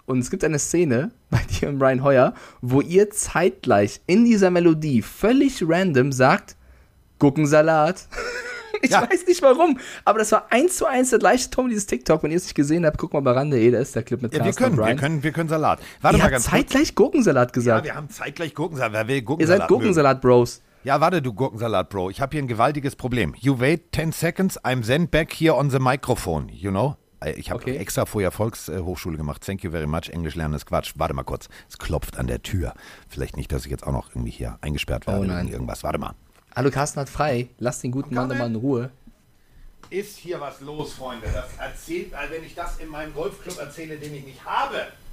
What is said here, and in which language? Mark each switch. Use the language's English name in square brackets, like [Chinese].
[German] Und es gibt eine Szene bei dir und Brian Hoyer, wo ihr zeitgleich in dieser Melodie völlig random sagt, Gurkensalat. Ich weiß nicht warum, aber das war 1:1 der gleiche Ton dieses TikTok. Wenn ihr es nicht gesehen habt, guck mal bei Rande, da ist der Clip mit Carsten und Brian. Wir können Salat. Warte mal ganz kurz. Zeitgleich Gurkensalat gesagt. Ja, wir haben zeitgleich Gurkensalat. Wer will Gurkensalat? Ihr seid Gurkensalat-Bros. Ja, warte, du Gurkensalat-Bro. Ich habe hier ein gewaltiges Problem. [English] You wait 10 seconds, I'm then back here on the microphone, you know? [German] Ich habe extra vorher Volkshochschule gemacht. [English] Thank you very much. [German] Englisch lernen ist Quatsch. Warte mal kurz. Es klopft an der Tür. Vielleicht nicht, dass ich jetzt auch noch irgendwie hier eingesperrt werde. Oh nein. Irgendwas. Warte mal. Hallo, Carsten hat frei. Lass den guten Mann nochmal in Ruhe. Ist hier was los, Freunde? Das erzählt, also wenn ich das in meinem Golfclub erzähle, den ich nicht habe.